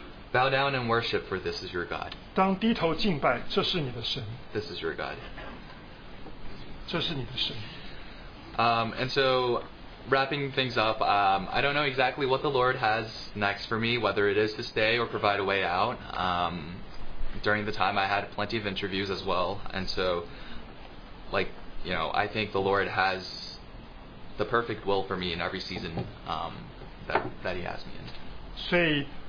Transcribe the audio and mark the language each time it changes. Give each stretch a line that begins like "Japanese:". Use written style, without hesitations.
English: Bow down and worship, for this is your God.
Chinese: 当低头敬拜，这是你的神。
English: This is your God.
Chinese: 这是你的神。
English: And so, wrapping things up, I don't know exactly what the Lord has next for me, whether it is to stay or provide a way out. During the time, I had plenty of interviews as well, and so, like, you know, I think the Lord has the perfect will for me in every season that He has me in.